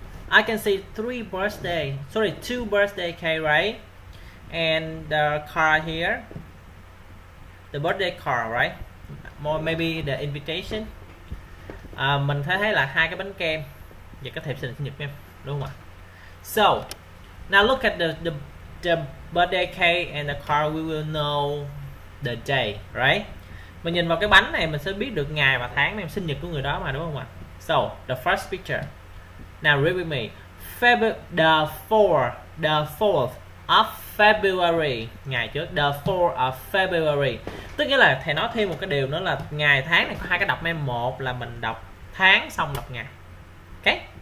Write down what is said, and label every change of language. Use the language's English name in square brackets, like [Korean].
[English] I can see two birthday cake, right? And the card here. The birthday card, right? More maybe the invitation. [Vietnamese] Mình thấy là hai cái bánh kem và cái thiệp sinh nhật em, đúng không ạ? [English] So, now look at the birthday cake and the card, we will know the day, right? [Vietnamese] Mình nhìn vào cái bánh này mình sẽ biết được ngày và tháng năm sinh nhật của người đó mà, đúng không ạ? [English] So, the first picture. Now read with me. The 4th of February. Ngày trước, the 4th of February. [Vietnamese] Tức nghĩa là thầy nói thêm một cái điều nữa là ngày tháng này có hai cái đọc mem, một là mình đọc tháng xong đọc ngày. Ok?